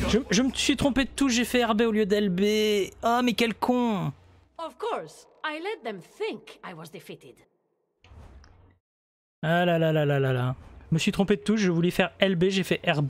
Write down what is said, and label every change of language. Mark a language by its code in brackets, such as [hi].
[fr] Je me suis trompé de touche, j'ai fait RB au lieu d'LB. Oh, mais quel con! [en] Of course, I let them think I was defeated. Ah là là là là là là. [fr] Je me suis trompé de touche, je voulais faire LB, j'ai fait RB.